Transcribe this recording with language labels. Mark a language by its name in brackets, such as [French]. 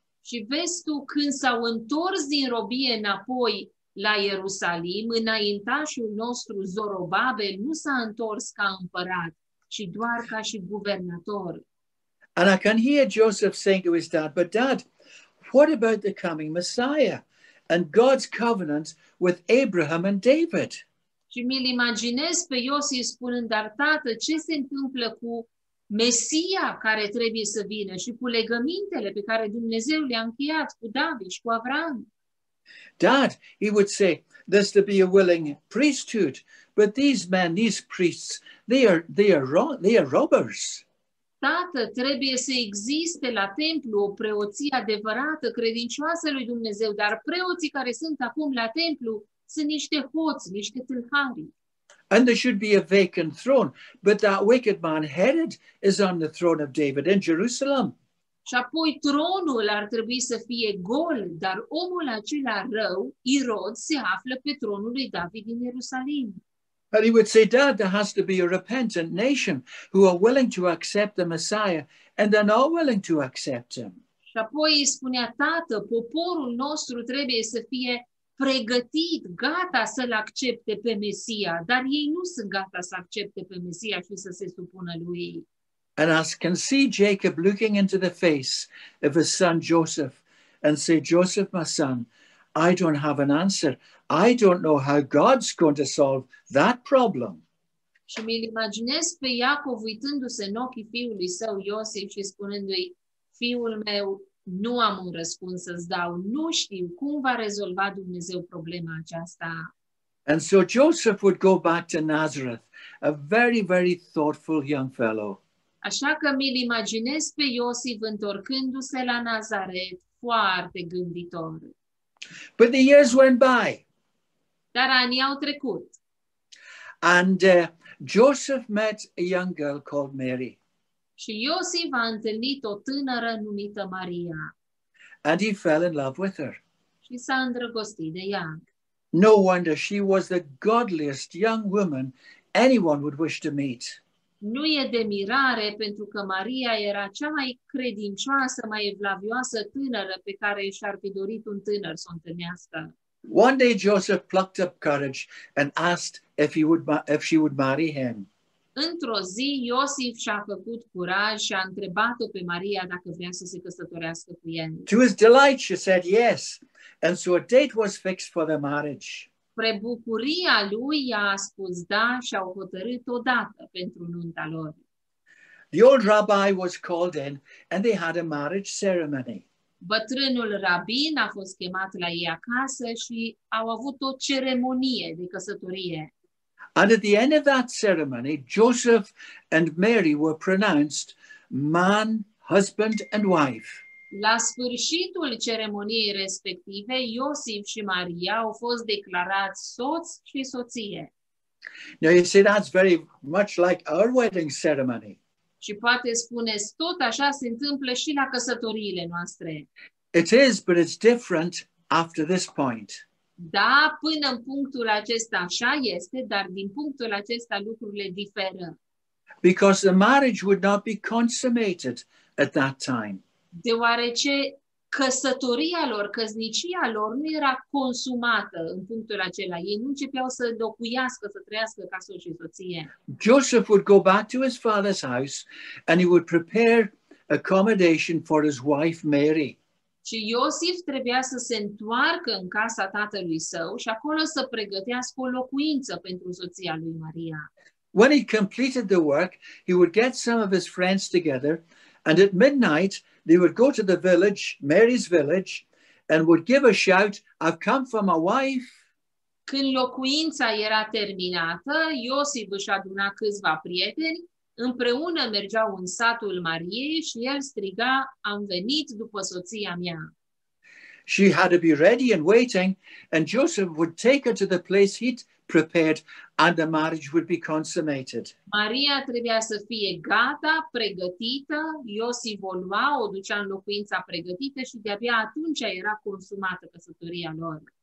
[Romanian] Și vezi tu, când s-au întors din robie înapoi la Ierusalim, înaintașul nostru Zorobabel nu s-a întors ca împărat, ci doar ca și guvernator. [English] And I can hear Joseph saying to his dad, but dad, what about the coming Messiah and God's covenant with Abraham and David? [Romanian] Și mi-l imaginez pe Iosif spunând, dar tată, ce se întâmplă cu Mesia care trebuie să vină și cu legămintele pe care Dumnezeu le-a încheiat cu David și cu Avram? [English] Dad, he would say, there's to be a willing priesthood, but these men, these priests, they are robbers. [Romanian] Tată, trebuie să existe la templu o preoție adevărată, credincioasă lui Dumnezeu, dar preoții care sunt acum la templu sunt niște hoți, niște tâlhari. [English] And there should be a vacant throne, but that wicked man Herod is on the throne of David in Jerusalem. [Romanian] Și apoi tronul ar trebui să fie gol, dar omul acela rău, Irod, se află pe tronul lui David din Ierusalim. [English] And he would say, Dad, there has to be a repentant nation who are willing to accept the Messiah and they're not willing to accept him. [Romanian] Și apoi îi spunea, Tată, poporul nostru trebuie să fie pregătit, gata să-l accepte pe Mesia, dar ei nu sunt gata să accepte pe Mesia și să se supună lui. [English] And I can see Jacob looking into the face of his son Joseph and say, Joseph, my son, I don't have an answer. I don't know how God's going to solve that problem. [Romanian] Și mi-l imaginez pe Iacov uitându-se în ochii fiului său Iosif și spunându-i: fiul meu, nu am un răspuns să-ți dau, nu știu cum va rezolva Dumnezeu problema aceasta. [English] And so Joseph would go back to Nazareth, a very, very thoughtful young fellow. [Romanian] Așa că mi-l imaginez pe Iosif întorcându-se la Nazaret, foarte gânditor. [English] But the years went by. [Romanian] Dar anii au trecut. [English] And Joseph met a young girl called Mary. [Romanian] Și Iosif a întâlnit o tânără numită Maria. [English] And he fell in love with her. [Romanian] Și s-a îndrăgostit de ea. [English] No wonder she was the godliest young woman anyone would wish to meet. [Romanian] Nu e de mirare pentru că Maria era cea mai credincioasă, mai evlavioasă tânără pe care și-ar fi dorit un tânăr să o întâlnească. [English] One day Joseph plucked up courage and asked if he would if she would marry him. [Romanian] Într-o zi Iosif și-a făcut curaj și a întrebat-o pe Maria dacă vrea să se căsătorească cu el. [English] To his delight she said yes. And so a date was fixed for the marriage. [Romanian] Spre bucuria lui, i-a spus da și au hotărât o dată pentru nunta lor. [English] The old rabbi was called in and they had a marriage ceremony. [Romanian] Bătrânul rabin a fost chemat la ei acasă și au avut o ceremonie de căsătorie. [English] And at the end of that ceremony, Joseph and Mary were pronounced man, husband and wife. [Romanian] La sfârșitul ceremoniei respective, Iosif și Maria au fost declarați soț și soție. [English] Now you see, that's very much like our wedding ceremony. [Romanian] Și poate spuneți, tot așa se întâmplă și la căsătoriile noastre. [English] It is, but it's different after this point. [Romanian] Da, până în punctul acesta așa este, dar din punctul acesta lucrurile diferă. [English] Because the marriage would not be consummated at that time. [Romanian] Deoarece căsătoria lor, căsnicia lor nu era consumată în punctul acela. Ei nu începeau să locuiască, să trăiască ca soț și soție. [English] Joseph would go back to his father's house and he would prepare accommodation for his wife Mary. [Romanian] Și Iosif trebuia să se întoarcă în casa tatălui său și acolo să pregătească o locuință pentru soția lui Maria. [English] When he completed the work, he would get some of his friends together and at midnight they would go to the village, Mary's village, and would give a shout, I've come for my wife. [Romanian] Când locuința era terminată, Iosif își aduna câțiva prieteni, împreună mergeau în satul Mariei și el striga, am venit după soția mea. [English] She had to be ready and waiting, and Joseph would take her to the place he'd prepared, and the marriage would be consummated. [Romanian] Maria trebuia să fie gata, pregătită, Iosif o lua, o ducea în locuința pregătită și de-abia atunci era consumată căsătoria lor.